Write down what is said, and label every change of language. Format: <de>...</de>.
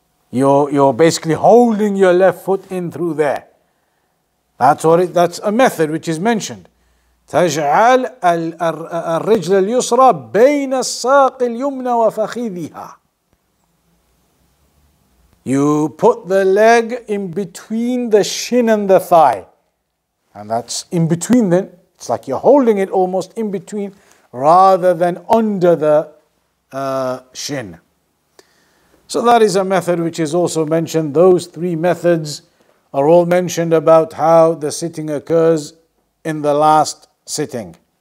<en>You're basically holding your left foot in through there. That's a method which is mentioned.</en> <ar>تجعل الرجل اليسرى بين الساق اليمنى وفخذها.</ar> <en>You put the leg in between the shin and the thigh. And that's in between then. It's like you're holding it almost in between rather than under the shin. So that is a method which is also mentioned. Those three methods are all mentioned about how the sitting occurs in the last sitting.</en>